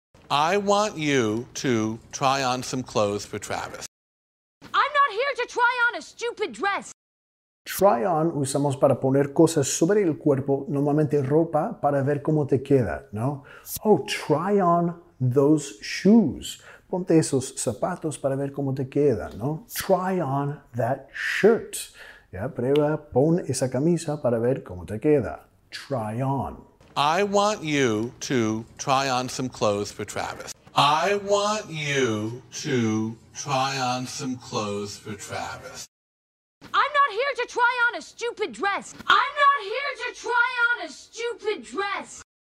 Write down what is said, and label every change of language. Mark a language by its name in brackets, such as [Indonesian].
[English] I want you to try on some clothes for Travis. I'm not here to try on a stupid dress. [Spanish] Try on usamos para poner cosas sobre el cuerpo, normalmente ropa, para ver cómo te queda, ¿no? [English] Oh, try on those shoes. [Spanish] Ponte esos zapatos para ver cómo te queda, ¿no? [English] Try on that shirt. [Spanish] Ya, prueba, pon esa camisa para ver cómo te queda. [English] Try on. I want you to try on some clothes for Travis. I want you to try on some clothes for Travis. I'm not here to try on a stupid dress. I'm not here to try on a stupid dress.